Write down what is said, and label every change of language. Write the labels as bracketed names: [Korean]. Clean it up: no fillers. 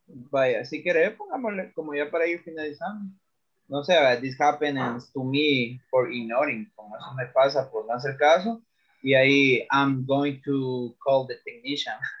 [Spanish] Vaya, si quiere, pongámosle como ya para ir finalizando. No sé, [English] this happens to me for ignoring. [Spanish] Como eso me pasa por no hacer caso. Y ahí, [English] I'm going to call the technician.